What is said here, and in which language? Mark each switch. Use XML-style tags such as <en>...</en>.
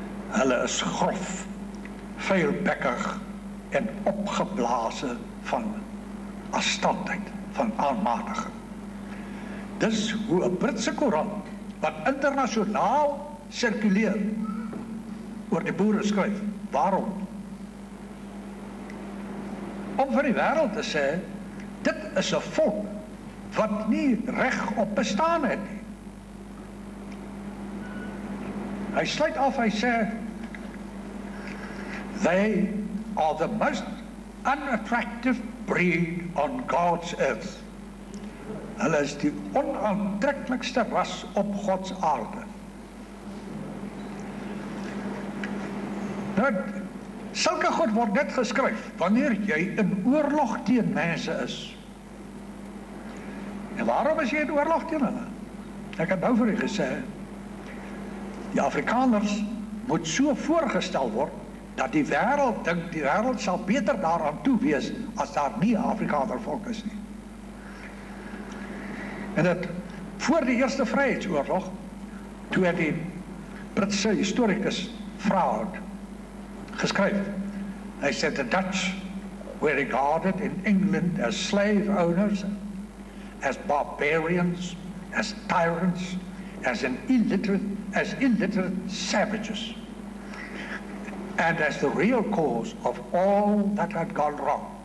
<af>Hulle is grof, vuilbekkig en opgeblazen van afstandheid, van aanmatiging. Dis hoe 'n Britse koerant wat internasionaal circuleer oor die boere skryf. Waarom? Om vir die wêreld te sê, dit is 'n volk wat nie reg op bestaan het nie. Hy sluit af, hy sê,</af> <en>they are the most unattractive breed on God's earth.</en> <af>Hulle is die onaantreklikste ras op God's aarde. Dat sulke goed word net geskryf wanneer jy in oorlog teen mense is. En waarom is jy in oorlog teen hulle? Ek het nou vir u gesê, die Afrikaners moet so voorgestel word dat die wêreld dink die wêreld sal beter daaraan toe wees as daar nie Afrikaner volk is nie. En dat voor die Eerste Vryheidsoorlog, toe het die Britse historicus vraag geskryf. Hy sê,</af> <en>the Dutch were regarded in England as slave owners, as barbarians, as tyrants, as illiterate savages, and as the real cause of all that had gone wrong.</en>